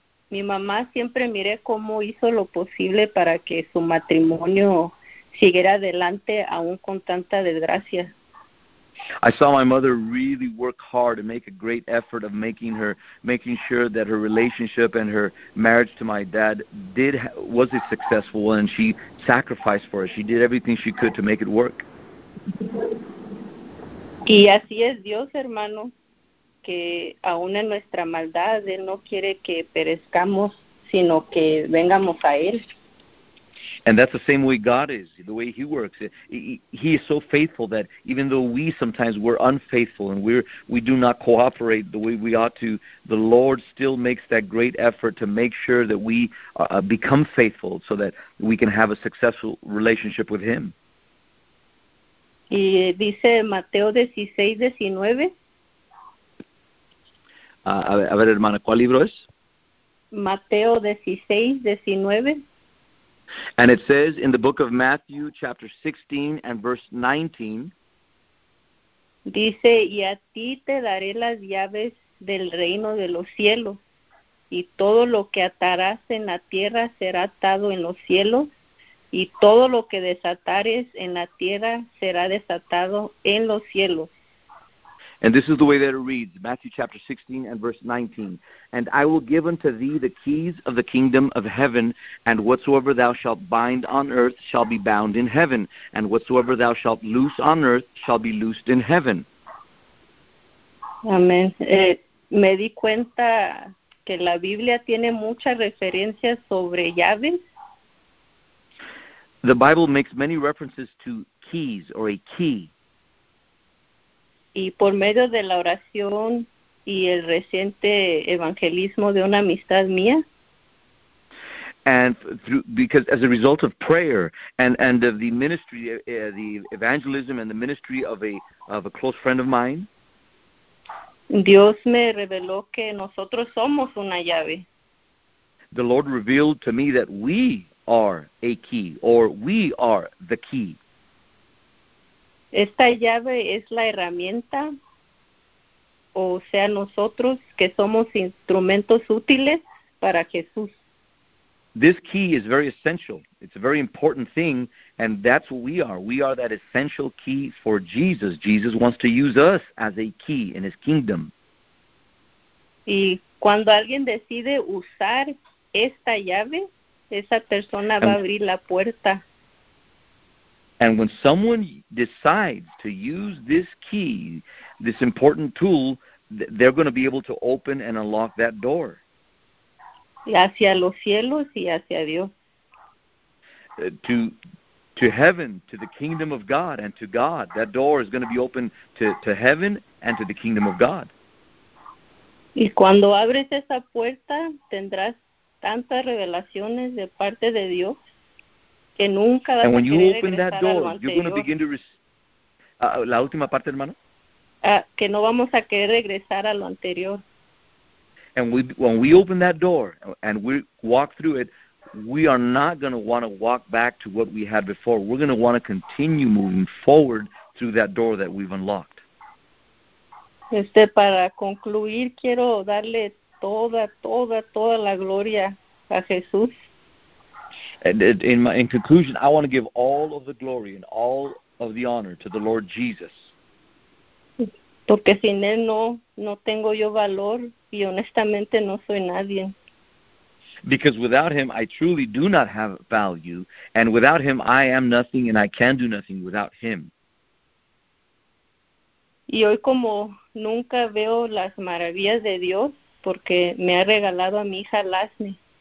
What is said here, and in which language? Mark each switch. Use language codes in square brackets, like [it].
[es] Mi mamá siempre miré cómo hizo lo posible para que su matrimonio siguiera adelante aún con tanta desgracia. [en] I saw my mother really work hard and make a great effort of making sure that her relationship and her marriage to my dad was a successful one, and she sacrificed for it. She did everything she could to make it work. [es] Y así es Dios, hermano, que aun en nuestra maldad, Él no quiere que perezcamos, sino que vengamos a Él. [en] And that's the same way God is, the way He works. He is so faithful that even though we sometimes we're unfaithful and we do not cooperate the way we ought to, the Lord still makes that great effort to make sure that we become faithful so that we can have a successful relationship with Him. [es] Y dice Mateo 16:19. A ver, hermana, ¿cuál libro es? Mateo 16:19. [en] And it says in the book of Matthew, chapter 16 and verse 19. [es] Dice, y a ti te daré las llaves del reino de los cielos. Y todo lo que atarás en la tierra será atado en los cielos. Y todo lo que desatares en la tierra será desatado en los cielos. [en] And this is the way that it reads, Matthew chapter 16 and verse 19. And I will give unto thee the keys of the kingdom of heaven, and whatsoever thou shalt bind on earth shall be bound in heaven, and whatsoever thou shalt loose on earth shall be loosed in heaven. [es] Amén. Me di cuenta que la Biblia tiene muchas referencias sobre llaves. [en] The Bible makes many references to keys or a key. [es] Y por medio de la oración y el reciente evangelismo de una amistad mía. [en] And because as a result of prayer and of the ministry, the evangelism and the ministry of a close friend of mine. [es] Dios me reveló que nosotros somos una llave. [en] The Lord revealed to me that we are a key, or we are the key. [es] Esta llave es la herramienta, o sea, nosotros que somos instrumentos útiles para Jesús. [en] This key is very essential. It's a very important thing, and that's what we are. We are that essential key for Jesus. Jesus wants to use us as a key in his kingdom. [es] Y cuando alguien decide usar esta llave, esa persona va a abrir la puerta. [en] And when someone decides to use this key, this important tool, they're going to be able to open and unlock that door. [es] Hacia los cielos y hacia Dios. [en] To heaven, to the kingdom of God, and to God. That door is going to be open to heaven and to the kingdom of God. [es] Y cuando abres esa puerta, tendrás tantas revelaciones de parte de Dios. [en] And when you open that door, you're going to begin to [es] la última parte, hermano. Que no vamos a querer regresar a lo anterior. [en] And when we open that door and we walk through it, we are not going to want to walk back to what we had before. We're going to want to continue moving forward through that door that we've unlocked. [es] Para concluir, quiero darle toda la gloria a Jesús. [en] And in conclusion, I want to give all of the glory and all of the honor to the Lord Jesus. [es] Porque sin él no tengo yo valor y honestamente no soy nadie. [en] Because without him, I truly do not have value, and without him, I am nothing and I can do nothing without him. [es] Y hoy como nunca veo las maravillas de Dios porque me ha regalado a mi hija Lasne.